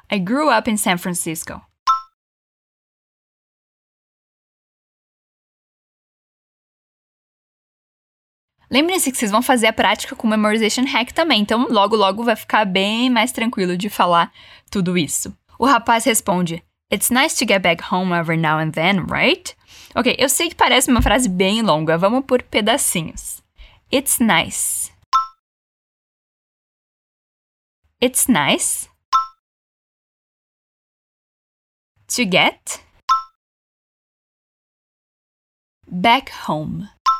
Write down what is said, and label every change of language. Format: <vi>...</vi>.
<en>I grew up in San Francisco.</en> <pt>Lembrem-se que vocês vão fazer a prática com o Memorization Hack também, então logo, logo vai ficar bem mais tranquilo de falar tudo isso.</pt> <en>O rapaz responde, It's nice to get back home every now and then, right?</en> <pt>Ok, eu sei que parece uma frase bem longa, vamos por pedacinhos.</pt> <en>It's nice. It's nice to get back home.</en>